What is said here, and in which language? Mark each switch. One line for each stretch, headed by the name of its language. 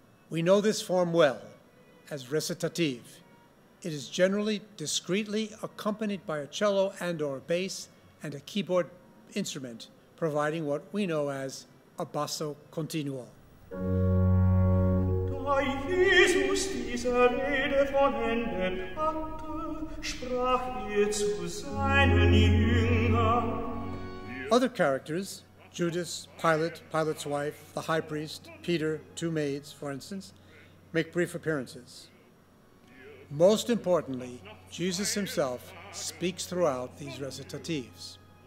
English: We know this form well as recitative. It is generally discreetly accompanied by a cello and/or bass and a keyboard instrument, providing what we know as a basso continuo.
German: Jesus diese Rede von Händen hatte, sprach zu seinen Jüngern.
English: Other characters, Judas, Pilate, Pilate's wife, the high priest, Peter, two maids, for instance, make brief appearances. Most importantly, Jesus himself speaks throughout these recitatives.